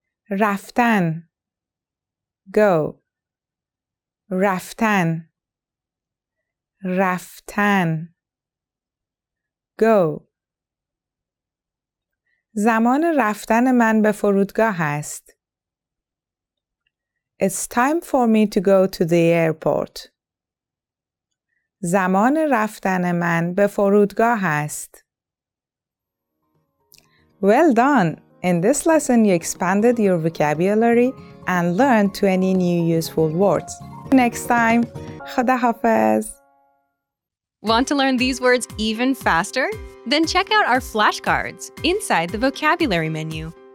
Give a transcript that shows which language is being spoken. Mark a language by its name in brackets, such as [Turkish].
[Persian] رفتن. Go. رفتن. رفتن. Go. زمان رفتن من به فرودگاه است. [English] It's time for me to go to the airport. [Persian] زمان رفتن من به فرودگاه است. [English] Well done! In this lesson you expanded your vocabulary and learned 20 new useful words. Next time! [Persian] خدا حافظ. [English] Want to learn these words even faster? Then check out our flashcards inside the vocabulary menu.